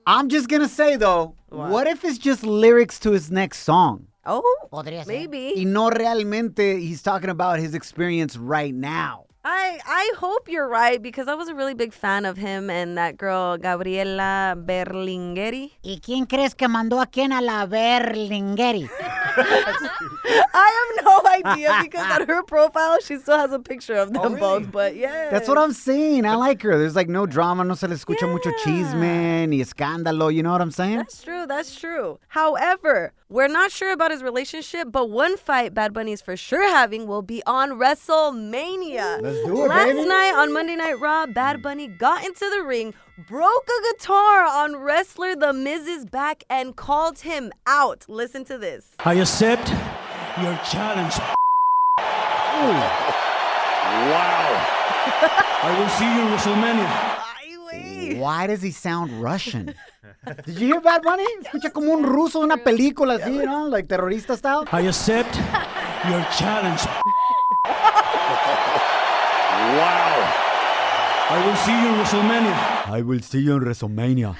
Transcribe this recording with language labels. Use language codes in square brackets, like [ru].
[en] I'm just going to say, though, what if it's just lyrics to his next song? Oh, maybe. Y no realmente, he's talking about his experience right now. I hope you're right, because I was a really big fan of him and that girl, Gabriela Berlingueri. [es] ¿Y quién crees que mandó a quién a la Berlingueri? [en] I have no idea, because on her profile, she still has a picture of them both, but yeah. That's what I'm saying. I like her. There's like no drama, no se le escucha mucho chisme, ni escándalo, you know what I'm saying? That's true. However, we're not sure about his relationship, but one fight Bad Bunny's for sure having will be on WrestleMania. Last night on Monday Night Raw, Bad Bunny got into the ring, broke a guitar on wrestler The Miz's back, and called him out. Listen to this. I accept your challenge. Ooh. Wow. I will see you in WrestleMania. Why does he sound Russian? Did you hear Bad Bunny? [es] Escucha como un ruso una película, así, you know, like terrorista style. [en] I accept your challenge. Wow. I will see you in WrestleMania. I will see you in WrestleMania.